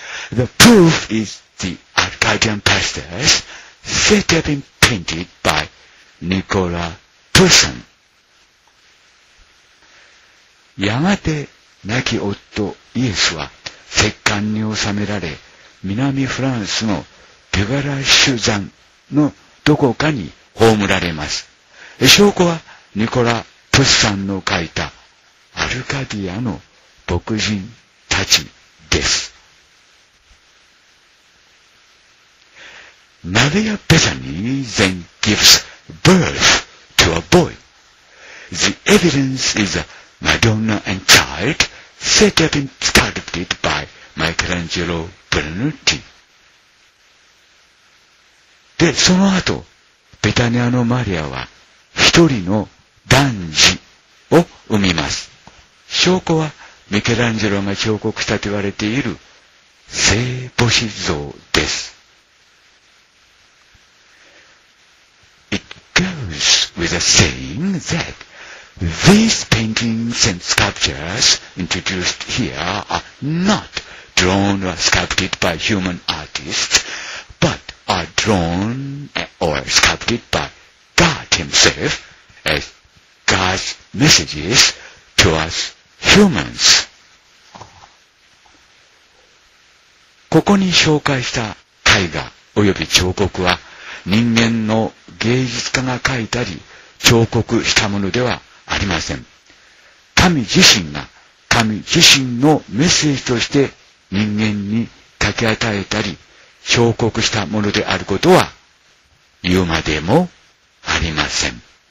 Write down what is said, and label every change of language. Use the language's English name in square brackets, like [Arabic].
[English] The proof is the Arcadian pastures said to have been painted by Nicolas Poussin. [Japanese] やがて亡き夫イエスは石棺に収められ南フランスのピュガラシュ山のどこかに葬られます。証拠はニコラ・プッサンの書いたアルカディアの牧人たちです。 [English] マリア・ベタニー then gives birth to a boy. The evidence is a Madonna and child said to have been sculpted by Michelangelo Buonarroti。 [Japanese] で、その後ベタニアのマリアは一人の男児を産みます。証拠はミケランジェロが彫刻したと言われている聖母子像です。 [English] It goes with a saying that these paintings and sculptures introduced here are not drawn or sculpted by human artists but are drawn or sculpted by God himself as God's messages to us humans。 [Japanese] ここに紹介した絵画および彫刻は人間の芸術家が描いたり彫刻したものではありません。神自身が神自身のメッセージとして人間に書き与えたり彫刻したものであることは言うまでもありません。